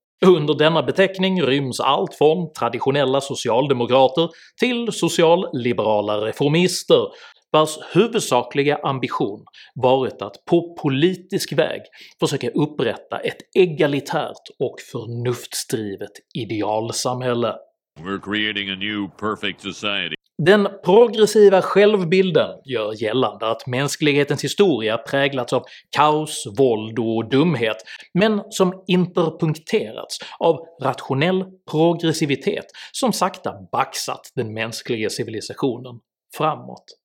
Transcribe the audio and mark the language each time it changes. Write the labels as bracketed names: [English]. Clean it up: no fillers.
[Swedish] Under denna beteckning ryms allt från traditionella socialdemokrater till socialliberala reformister, vars huvudsakliga ambition varit att på politisk väg försöka upprätta ett egalitärt och förnuftsdrivet idealsamhälle. [English] We're creating a new perfect society. [Swedish] Den progressiva självbilden gör gällande att mänsklighetens historia präglats av kaos, våld och dumhet, men som interpunkterats av rationell progressivitet som sakta baxat den mänskliga civilisationen framåt.